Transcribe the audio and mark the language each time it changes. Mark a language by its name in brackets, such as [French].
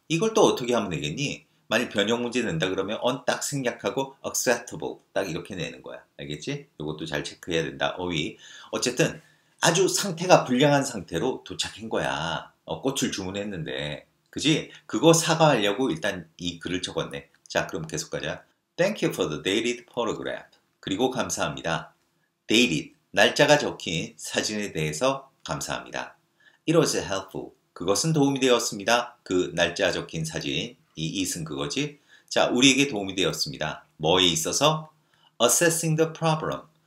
[Korean] 이걸 또 어떻게 하면 되겠니? 만약 변형 문제 낸다 그러면 on 딱 생략하고 acceptable 딱 이렇게 내는 거야. 알겠지? 이것도 잘 체크해야 된다. 어휘. 어쨌든 아주 상태가 불량한 상태로 도착한 거야. 꽃을 주문했는데. 그지? 그거 사과하려고 일단 이 글을 적었네. 자, 그럼 계속 가자. [English] Thank you for the dated photograph. [Korean] 그리고 감사합니다. Dated. 날짜가 적힌 사진에 대해서 감사합니다. [English] It was helpful. [Korean] 그것은 도움이 되었습니다. 그 날짜 적힌 사진, 이승 그거지? 자, 우리에게 도움이 되었습니다. 뭐에 있어서? [English] Assessing the problem.